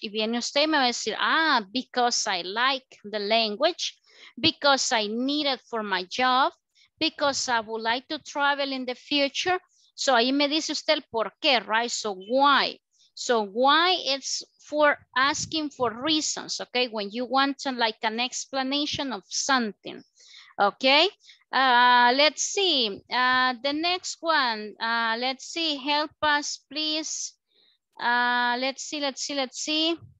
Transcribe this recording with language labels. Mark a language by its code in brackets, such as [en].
[es] Y viene usted y me va a decir, [en] ah, because I like the language, because I need it for my job, because I would like to travel in the future. [es] So ahí me dice usted el por qué, right? [en] So why? So why it's for asking for reasons, okay? When you want to, like an explanation of something, okay? Let's see, the next one. Let's see, help us, please. Let's see.